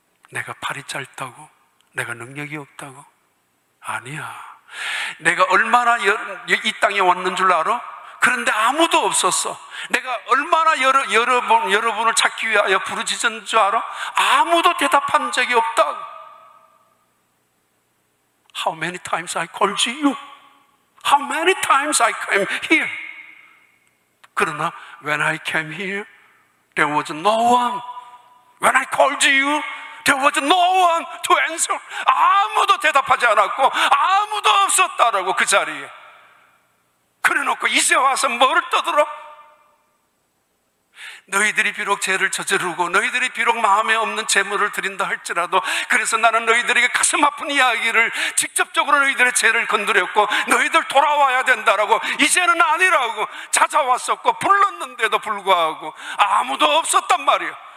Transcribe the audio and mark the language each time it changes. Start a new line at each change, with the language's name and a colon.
Korean: 내가 팔이 짧다고? 내가 능력이 없다고? 아니야. 내가 얼마나 이 땅에 왔는 줄 알아? 그런데 아무도 없었어. 내가 얼마나 여러분을 찾기 위하여 부르짖은 줄 알아? 아무도 대답한 적이 없다고.
English: How many times I called you? How many times I came here?
Korean: 그러나
English: when I came here, there was no one. When I called you, there was no one to answer.
Korean: 아무도 대답하지 않았고 아무도 없었다라고 그 자리에. 그래놓고 이제 와서 뭐를 떠들어? 너희들이 비록 죄를 저지르고 너희들이 비록 마음에 없는 재물을 드린다 할지라도 그래서 나는 너희들에게 가슴 아픈 이야기를 직접적으로 너희들의 죄를 건드렸고 너희들 돌아와야 된다라고 이제는 아니라고 찾아왔었고 불렀는데도 불구하고 아무도 없었단 말이야.